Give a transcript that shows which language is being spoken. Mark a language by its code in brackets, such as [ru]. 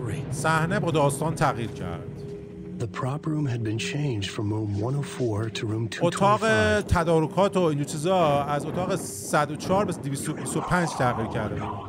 [fa] صحنه با داستان تغییر کرد. [en] The prop room had been changed from room 104 to room 225. [fa] اتاق تدارکات و این چیزا از اتاق 104 به 225 تغییر کرده.